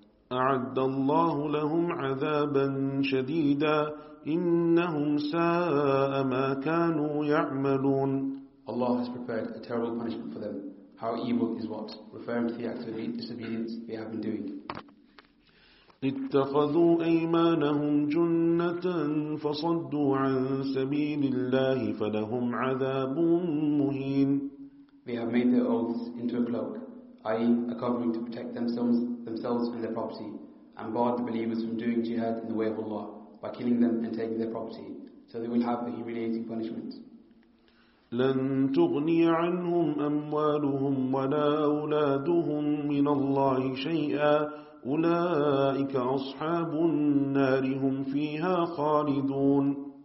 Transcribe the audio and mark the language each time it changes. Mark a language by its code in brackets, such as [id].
[ar] أَعَدَّ اللَّهُ لَهُمْ عَذَابًا شَدِيدًا إِنَّهُمْ سَاءَ مَا كَانُوا يَعْمَلُونَ. [en] Allah has prepared a terrible punishment for them. How evil is what? Referring to the act of disobedience they have been doing. [ar] اتخذوا أيمانهم جنة فصدوا عن سبيل الله فلهم عذاب مهين. [en] They have made their oaths into a cloak, i.e. a covering to protect themselves and their property, and barred the believers from doing jihad in the way of Allah by killing them and taking their property, so they will have a humiliating punishment. [ar] لَن تُغْنِيَ عَنْهُمْ أَمْوَالُهُمْ وَلَا أَوْلَادُهُمْ مِنَ اللَّهِ شَيْئًا أُولَٰئِكَ أَصْحَابُ النَّارِ هُمْ فِيهَا خَالِدُونَ.